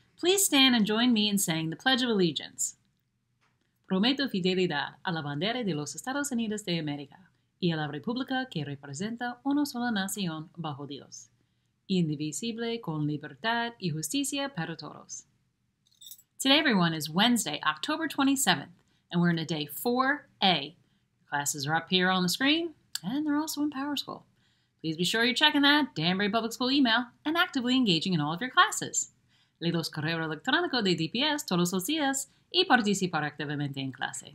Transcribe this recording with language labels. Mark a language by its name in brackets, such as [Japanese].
[English] Please stand and join me in saying the Pledge of Allegiance. [Spanish] Prometo fidelidad a la bandera de los Estados Unidos de América y a la República que representa una sola nación bajo Dios, indivisible con libertad y justicia para todos. [English] Today, everyone, is Wednesday, October 27th, and we're in a day 4A. Classes are up here on the screen, and they're also in PowerSchool. Please be sure you're checking that Danbury Public School email and actively engaging in all of your classes. [Spanish] Lee los correos electrónicos de DPS todos los días y participar activamente en clase.